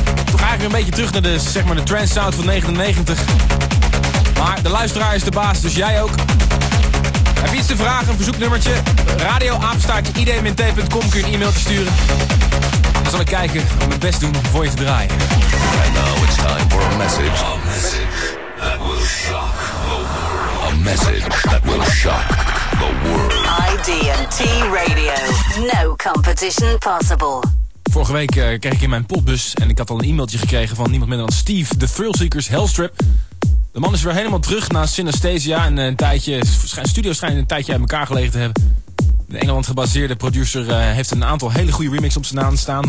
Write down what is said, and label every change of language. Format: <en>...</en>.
<nl>Toch eigenlijk een beetje terug naar de, zeg maar, de trance sound van 99. Maar de luisteraar is de baas, dus jij ook. Heb je iets te vragen, een verzoeknummertje? Radio@idmnt.com kun je een e-mailtje sturen. Dan zal ik kijken om mijn best doen voor je te draaien.</nl> <en>And now it's time for a message. A message that will shock the world. A message that will shock the world. IDMT Radio. No competition possible.</en> <nl>Vorige week kreeg ik in mijn potbus en ik had al een e-mailtje gekregen van niemand minder dan Steve, de Thrillseekers Hellstrip. De man is weer helemaal terug na Synesthesia en een tijdje, studio schijnt een tijdje uit elkaar gelegen te hebben. De Engeland gebaseerde producer heeft een aantal hele goede remixes op zijn naam staan.</nl>